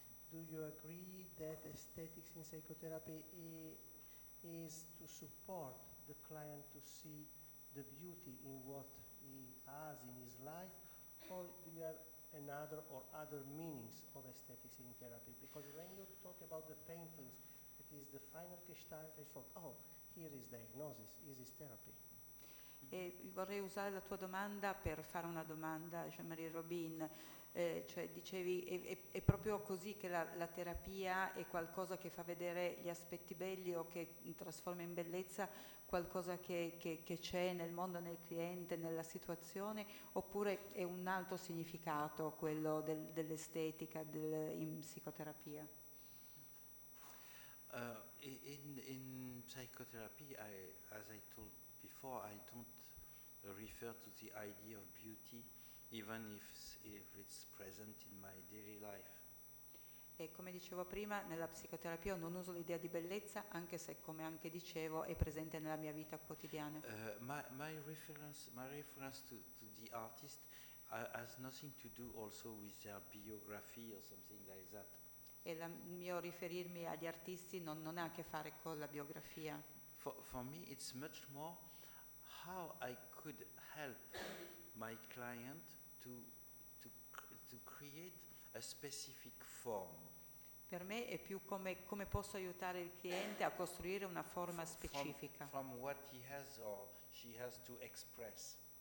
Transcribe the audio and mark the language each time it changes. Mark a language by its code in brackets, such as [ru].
[en] Do you agree that aesthetics in psychotherapy is to support the client to see the beauty in what he has in his life, or do you have another or other meanings of aesthetics in therapy? Because when you talk about the paintings, it is the final gestalt, I thought, oh, here is diagnosis, this is therapy. [it] E vorrei usare la tua domanda per fare una domanda a Jean-Marie Robin. Cioè dicevi è proprio così che la terapia è qualcosa che fa vedere gli aspetti belli o che trasforma in bellezza qualcosa che c'è nel mondo, nel cliente, nella situazione, oppure è un altro significato quello dell'estetica in psicoterapia? [en] In psychotherapy, as I told before, I don't refer to the idea of beauty even if it's present in my daily life. [it] E come dicevo prima, nella psicoterapia non uso l'idea di bellezza, anche se, come anche dicevo, è presente nella mia vita quotidiana. [en] My reference to the artist has nothing to do also with their biography or something like that. [it] E il mio riferirmi agli artisti non ha a che fare con la biografia. [en] For me it's much more how I could help my client to create a specific form. [it] Per me è più come posso aiutare il cliente a costruire una forma specifica. [en] From what he has or she has to express.